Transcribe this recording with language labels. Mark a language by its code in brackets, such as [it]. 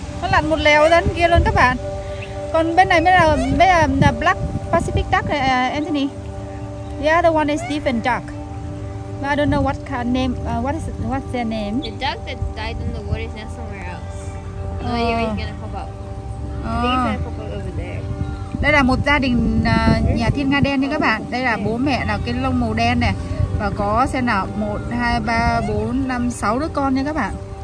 [vi] Nó lặn một lèo ra kia luôn các bạn. Còn bên này mới là [en] the black Pacific duck [vi] này, Anthony. [en] The other one is Stephen duck. But I don't know what kind of name. What's their name? The duck that died in the water is now somewhere else. No idea where he's gonna pop up. I think he's gonna pop up over there. [vi] Đây là một gia đình nhà thiên nga đen nha các bạn. Đây là bố mẹ là cái lông màu đen này. Và có xem nào, 1, 2, 3, 4, 5, 6 đứa con nha các bạn.